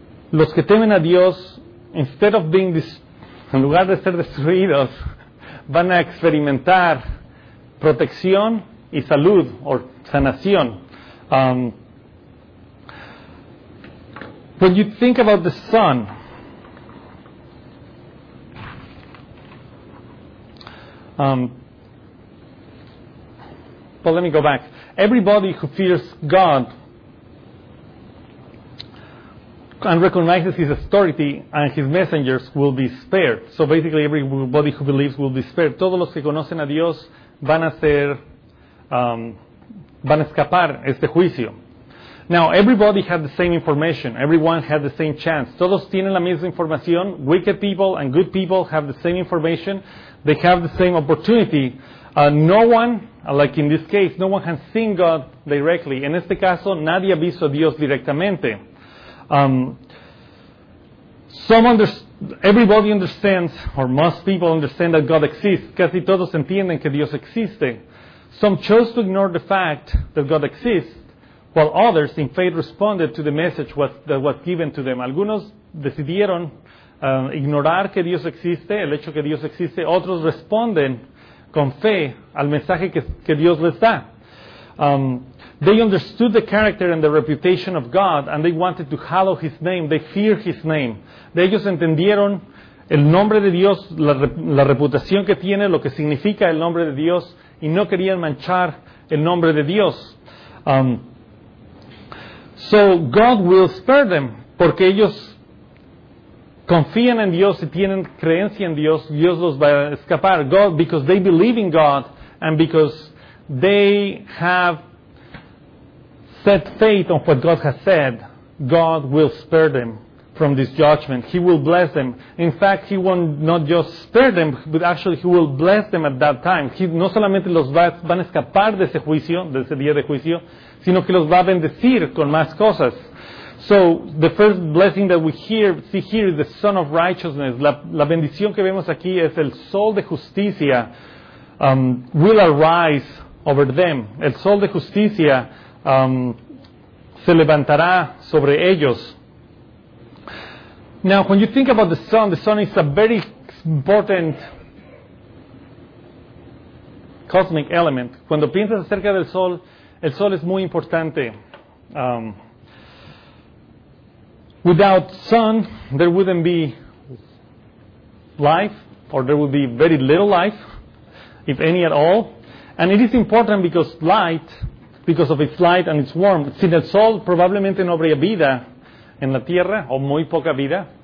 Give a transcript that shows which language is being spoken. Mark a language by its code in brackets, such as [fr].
[es] Los que temen a Dios, [en] instead of being [es] en lugar de ser destruidos, van a experimentar protección y salud, o sanación. [en] When you think about the sun, but let me go back. Everybody who fears God and recognizes His authority and His messengers will be spared. So basically, everybody who believes will be spared. [es] Todos los que conocen a Dios van a escapar este juicio. [en] Now, everybody had the same information. Everyone had the same chance. [es] Todos tienen la misma información. [en] Wicked people and good people have the same information. They have the same opportunity. No one, like in this case, no one has seen God directly. En este caso, nadie ha visto a Dios directamente. Everybody understands, or most people understand, that God exists. [es] Casi todos entienden que Dios existe. [en] Some chose to ignore the fact that God exists, while others, in faith, responded to the message that was given to them. [es] Algunos decidieron ignorar que Dios existe, el hecho que Dios existe. Otros responden con fe al mensaje que Dios les da. [en] They understood the character and the reputation of God, and they wanted to hallow His name. They fear His name. [es] De ellos entendieron el nombre de Dios, la reputación que tiene, lo que significa el nombre de Dios, y no querían manchar el nombre de Dios. [en] So God will spare them, [es] porque ellos confían en Dios y tienen creencia en Dios. Dios los va a escapar. [en] God, because they believe in God, and because they have set faith on what God has said, God will spare them from this judgment. He will bless them. In fact, He will not just spare them, but actually He will bless them at that time. [es] He no solamente los va, van a escapar de ese juicio, de ese día de juicio, sino que los va a bendecir con más cosas. [en] So, the first blessing that we hear, see here is the Son of Righteousness. [es] La bendición que vemos aquí es el Sol de Justicia [en] will arise over them. [es] El Sol de Justicia se levantará sobre ellos. [en] Now, when you think about the sun is a very important cosmic element. [es] Cuando piensas acerca del sol, el sol es muy importante. [en] Without sun, there wouldn't be life, or there would be very little life, if any at all. And it is important because light, because of its light and its warmth. [es] Sin el sol, probablemente no habría vida en la tierra, o muy poca vida.